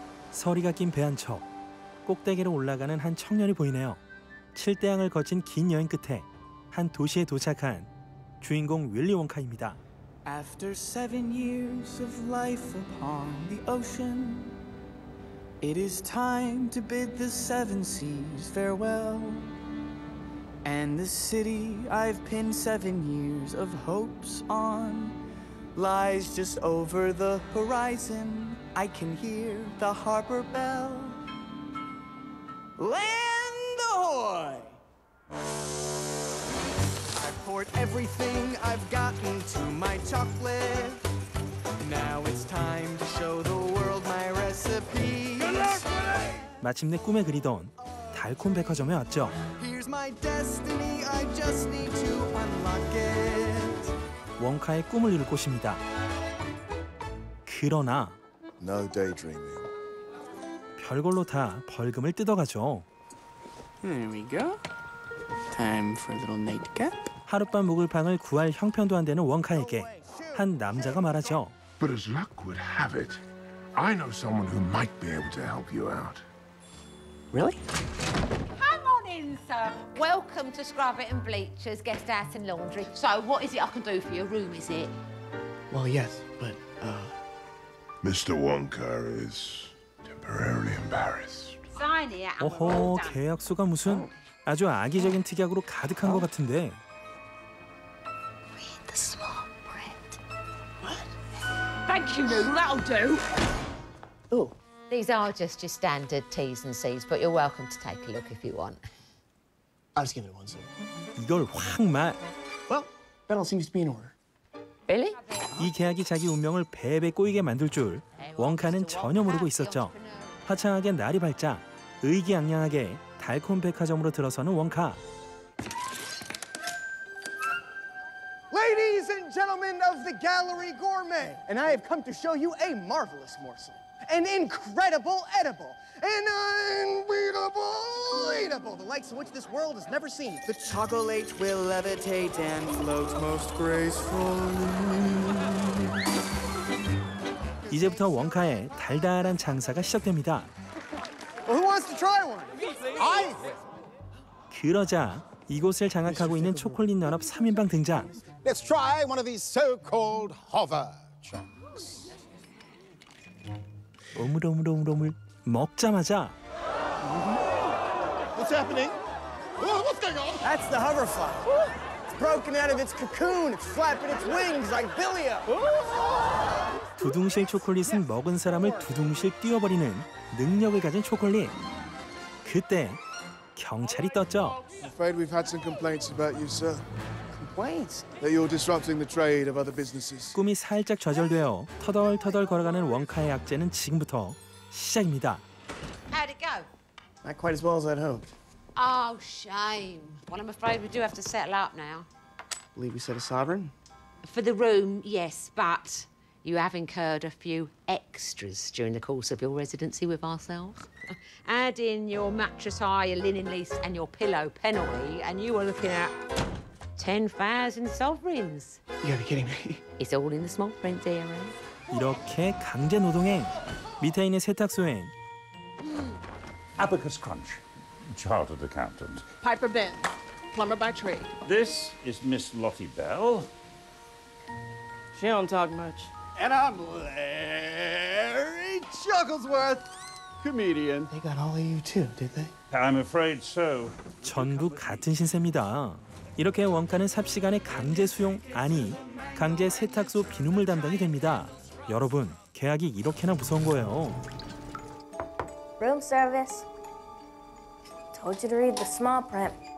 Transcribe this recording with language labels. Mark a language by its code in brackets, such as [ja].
[ko] 서리가 낀 배 한 척 꼭대기로 올라가는 한 청년이 보이네요. 칠대양을 거친 긴 여행 끝에 한 도시에 도착한 주인공 윌리 원카입니다. [en] After 7 years of life upon the ocean, it is time to bid the seven seas farewell. And the city I've pinned 7 years of hopes on lies just over the horizon. I can hear the harbor bell. Land ahoy! I poured everything I've got into my chocolate. Now it's time to show the world my recipe. [ko] 마침내 꿈에 그리던 달콤 백화점에 왔죠. [en] Here's my destiny, I just need to unlock it. [ko] 원카의 꿈을 이룰 곳입니다. 그러나 [en] No daydreaming. [ko] 별걸로 다 벌금을 뜯어가죠. [en] There we go. Time for a little nightcap. [ko] 하룻밤 묵을 방을 구할 형편도 안 되는 원카에게 한 남자가 말하죠. [en] But as luck would have it, I know someone who might be able to help you out. Really? Come on in, sir. Welcome to Scrubbit and Bleachers, guest house and laundry. So, what is it I can do for your room, is it? Well, yes, but, Mr. Wonka is temporarily embarrassed. Sign here. [ko] 오호, 계약서가 무슨 아주 악의적인 특약으로 가득한 것 같은데. [en] Read the small print. What? Thank you, Lou. That'll do. Oh. These are just your standard T's and C's, but you're welcome to take a look if you want. I'll just give it one, sir. [ko] 이걸 확 말. [en] Well, that all seems to be in order. Really? [ko] 이 계약이 자기 운명을 베베 꼬이게 만들 줄 원카는 전혀 모르고 있었죠. 화창하게 날이 밝자 의기양양하게 달콤 백화점으로 들어서는 원카. [en] Ladies and gentlemen of the gallery gourmet, and I have come to show you a marvelous morsel. An incredible edible, an unbeatable eatable, the likes of which this world has never seen. The chocolate will levitate and float most gracefully. [ko] 이제부터 원카의 달달한 장사가 시작됩니다. [en] Well, who wants to try one? I. [ko] 그러자 이곳을 장악하고 있는 초콜릿 연합 3인방 등장. [en] Let's try one of these so-called hover chunks. [ko] 오물오물오물오물 먹자마자 [en] What's happening? What's going on? That's the hoverfly. It's broken out of its cocoon. It's flapping its wings like billy-o. [ko] 두둥실 초콜릿은 먹은 사람을 두둥실 뛰어버리는 능력을 가진 초콜릿. 그때 경찰이 떴죠. [en] I'm afraid we've had some complaints about you, sir. Complaints? That you're disrupting the trade of other businesses. [ko] 꿈이 살짝 좌절되어 터덜터덜 걸어가는 원카의 악재는 지금부터 시작입니다. [en] How'd it go? Not quite as well as I'd hoped. Oh, shame. Well, I'm afraid we do have to settle up now. Believe we set a sovereign? For the room, yes, but you have incurred a few extras during the course of your residency with ourselves. Add in your mattress hire, your linen lease and your pillow penalty, and you are looking at 10,000 sovereigns. You gotta be kidding me. It's all in the small print, dear. [ko] 이렇게 강제 노동행. 밑에 있는 세탁소엔. [en] Abacus Crunch. Chartered accountant. Piper Ben, plumber by trade. This is Miss Lottie Bell. She don't talk much. And I'm Larry Chucklesworth, comedian. They got all of you too, did they? I'm afraid so. [ko] 전부 같은 신세입니다. 이렇게 원카는 삽시간에 강제 수용, 아니 강제 세탁소 비눗물 담당이 됩니다. 여러분, 계약이 이렇게나 무서운 거예요. [en] Room service. Told you to read the small print.